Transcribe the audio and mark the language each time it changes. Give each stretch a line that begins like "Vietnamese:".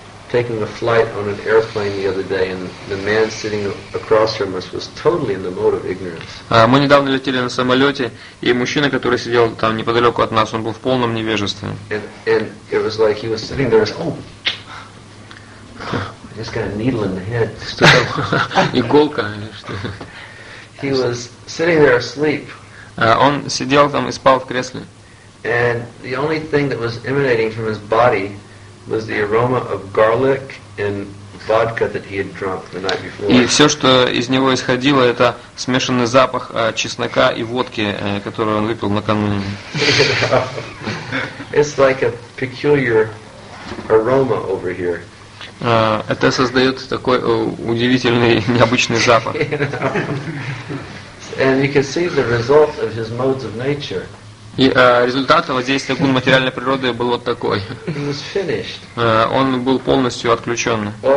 English: Taking a flight on an airplane the other day, and the man sitting across from us was totally in the mode of ignorance.
Russian: Мы недавно летели на самолете, и мужчина, который сидел там неподалеку от нас, он был в полном невежестве.
English: And it was like he was sitting there, I just got a needle in the head.
Russian: Иголка.
English: He was sitting there asleep.
Russian: Он сидел там и спал в кресле.
English: And the only thing that was emanating from his body was the aroma of garlic and vodka that he had drunk the night before.
Russian: И все, что из него исходило, это смешанный запах чеснока и водки, которую он выпил накануне.
English: It's like a peculiar aroma over here.
Russian: Это создает такой удивительный, необычный запах.
English: And you can see the result of his modes of nature.
Russian: И результат воздействия гун материальной природы был вот такой. Он был полностью отключен.